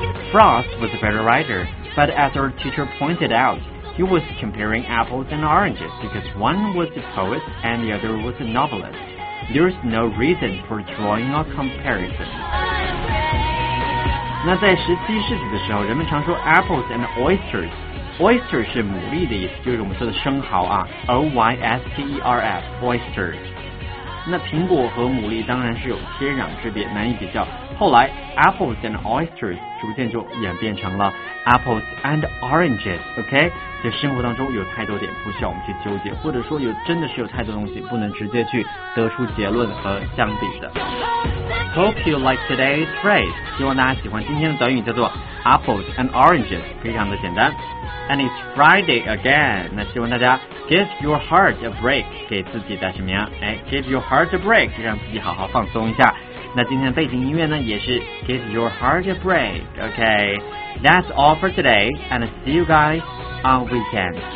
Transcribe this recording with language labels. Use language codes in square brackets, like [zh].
[en] Frost was a better writer, but as our teacher pointed outHe was comparing apples and oranges because one was a poet and the other was a novelist. There's no reason for drawing a comparison. [zh] 那在十七世纪的时候，人们常说 apples and oysters. Oyster 是牡蛎的意思，就是我们说的生蚝啊。 [en] O-Y-S-T-E-R-F, oyster. [zh] 那苹果和牡蛎当然是有天壤之别，难以比较。后来 apples and oysters 逐渐就演变成了Apples and oranges, OK? 在生活当中有太多点不需要我们去纠结，或者说有真的是有太多东西不能直接去得出结论和相比的。 [en] Hope you like today's phrase. [zh] 希望大家喜欢今天的短语，叫做 apples and oranges, 非常的简单。 [en] And it's Friday again. [zh] 那希望大家 [en] give your heart a break, [zh] 给自己的什么样？哎 ，give your heart a break, 让自己好好放松一下。那今天的背景音乐呢，也是 give your heart a break, OK? [en] That's all for today, and see you guys on weekend.